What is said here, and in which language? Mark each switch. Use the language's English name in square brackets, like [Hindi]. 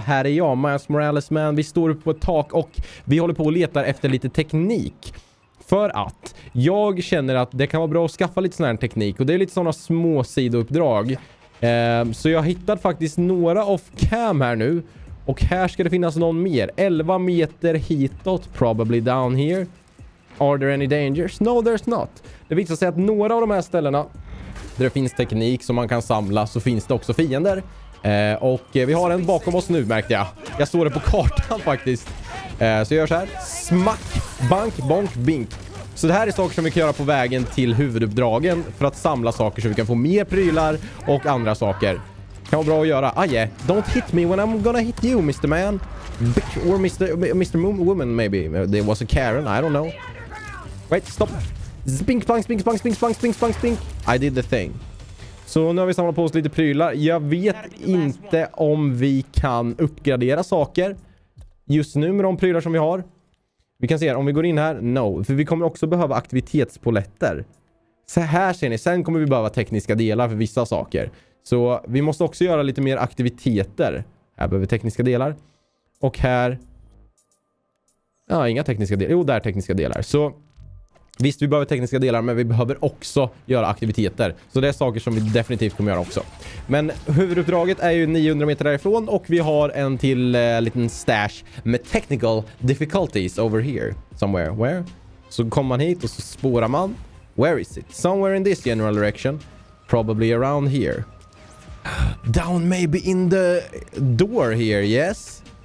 [Swedish] Här är jag, Miles Morales Man. Vi står uppe på ett tak och vi håller på och letar efter lite teknik. För att jag känner att det kan vara bra att skaffa lite sån här teknik. Och det är lite sådana små sidouppdrag. Så jag hittade faktiskt några off-cam här nu. Och här ska det finnas någon mer. 11 meter hitåt, [English] probably down here. Are there any dangers? No, there's not. [Swedish] Det visar sig att några av de här ställena där det finns teknik som man kan samla så finns det också fiender. Och vi har en bakom oss nu, märkte jag. Jag står det på kartan faktiskt. Så gör så här. Smack, bank, bonk, bink. Så det här är saker som vi kan göra på vägen till huvuduppdragen för att samla saker så vi kan få mer prylar och andra saker. Kan vara bra att göra. [English] Aj, don't hit me when I'm gonna hit you, Mr. Man. Or Mr. Woman, maybe. There was a Karen, I don't know. Wait, stop. Spink, spank, spink, spank, spink, spank, spink, spank, spink. I did the thing. [Swedish] Så nu har vi samlat på oss lite prylar. Jag vet inte om vi kan uppgradera saker just nu med de prylar som vi har. Vi kan se här, om vi går in här, no. För vi kommer också behöva aktivitetspoletter. Så här ser ni, sen kommer vi behöva tekniska delar för vissa saker. Så vi måste också göra lite mer aktiviteter. Här behöver vi tekniska delar. Och här... ja, inga tekniska delar. Jo, där tekniska delar. Så visst, vi behöver tekniska delar, men vi behöver också göra aktiviteter. Så det är saker som vi definitivt kommer göra också. Men huvuduppdraget är ju 900 meter därifrån. Och vi har en till liten stash med [English] technical difficulties over here. Somewhere. Where? [Swedish] Så kommer man hit och så spårar man. [English] Where is it? Somewhere in this general direction. Probably around here. Down maybe in the door here, yes?